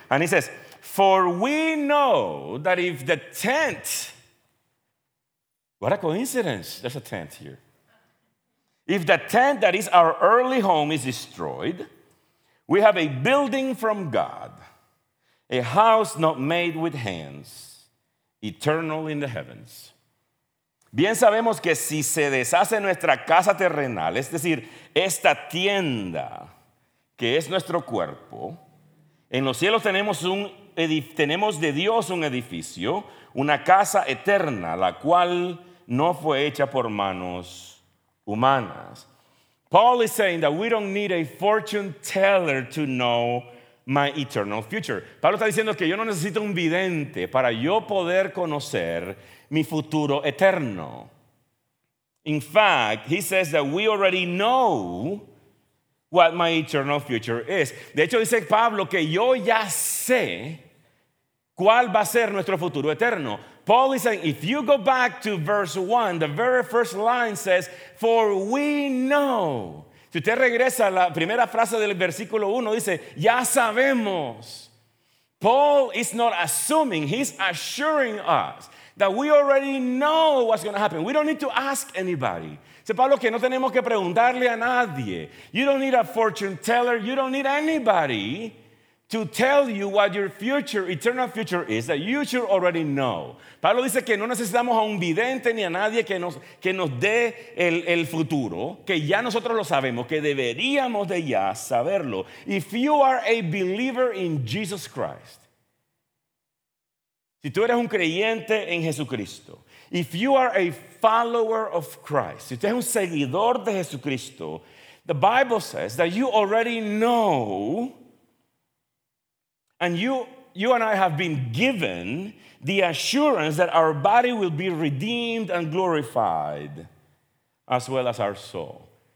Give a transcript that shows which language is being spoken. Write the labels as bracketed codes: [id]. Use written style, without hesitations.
[en] And he says, for we know that if the tent, what a coincidence, there's a tent here. If the tent that is our early home is destroyed, we have a building from God, a house not made with hands, eternal in the heavens. [es] Bien sabemos que si se deshace nuestra casa terrenal, es decir, esta tienda que es nuestro cuerpo, en los cielos tenemos de Dios un edificio, una casa eterna, la cual no fue hecha por manos humanas. [en] Paul is saying that we don't need a fortune teller to know my eternal future. [es] Pablo está diciendo que yo no necesito un vidente para yo poder conocer mi futuro eterno. [en] In fact, he says that we already know what my eternal future is. [es] De hecho, dice Pablo que yo ya sé cuál va a ser nuestro futuro eterno. [en] Paul is saying, if you go back to verse 1, the very first line says, for we know. [es] Si usted regresa a la primera frase del versículo 1, dice, ya sabemos. [en] Paul is not assuming, he's assuring us that we already know what's going to happen. We don't need to ask anybody. [es] Dice Pablo que no tenemos que preguntarle a nadie. [en] You don't need a fortune teller. You don't need anybody to tell you what your future, eternal future is, that you should already know. [es] Pablo dice que no necesitamos a un vidente ni a nadie que nos dé el futuro, que ya nosotros lo sabemos, que deberíamos de ya saberlo. [en] If you are a believer in Jesus Christ, [es] si tú eres un creyente en Jesucristo, [en] if you are a follower of Christ, [es] si usted es un seguidor de Jesucristo, [en] the Bible says that you already know, and you and I have been given the assurance that our body will be redeemed and glorified, as well as our soul.